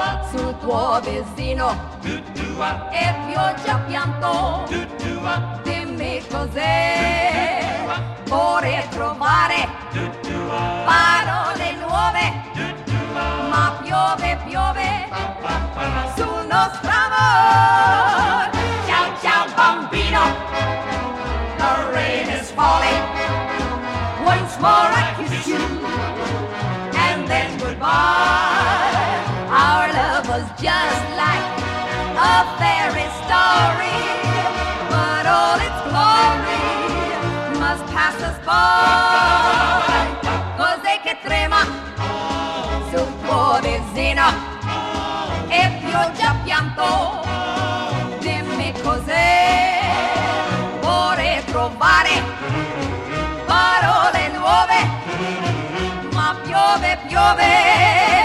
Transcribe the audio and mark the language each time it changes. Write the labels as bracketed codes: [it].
[it] Sul tuo vestino e pioggia pianto, dimmi cos'è, vorrei trovare parole nuove, ma piove, piove sul nostro amor. Ciao, ciao, bambino, [en] the rain is falling, once more I kiss you, and then goodbye. Our love was just like a fairy story, but all its glory must pass us by. [it] Cos'è che trema sul tuo visino e pioggia pianto? Dimmi cos'è, vorrei trovare parole nuove, ma piove, piove.